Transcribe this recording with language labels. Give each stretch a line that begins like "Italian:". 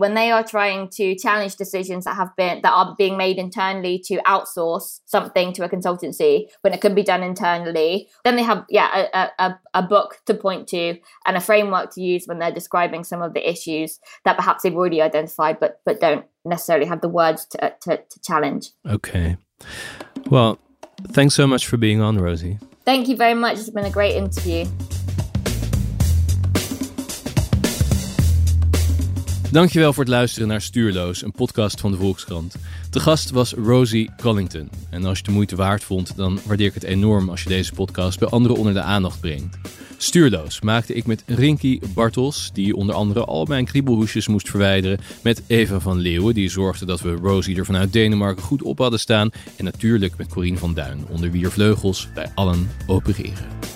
English: When they are trying to challenge decisions that are being made internally to outsource something to a consultancy when it could be done internally, then they have a book to point to and a framework to use when they're describing some of the issues that perhaps they've already identified but don't necessarily have the words to challenge. Okay. Well, thanks so much for being on, Rosie. Thank you very much. It's been a great interview.
Dutch: Dankjewel voor het luisteren naar Stuurloos, een podcast van de Volkskrant. De gast was Rosie Cullington. En als je de moeite waard vond, dan waardeer ik het enorm als je deze podcast bij anderen onder de aandacht brengt. Stuurloos maakte ik met Rinky Bartels, die onder andere al mijn kriebelhoesjes moest verwijderen, met Eva van Leeuwen, die zorgde dat we Rosie er vanuit Denemarken goed op hadden staan, en natuurlijk met Corien van Duin, onder wie er vleugels bij allen opereren.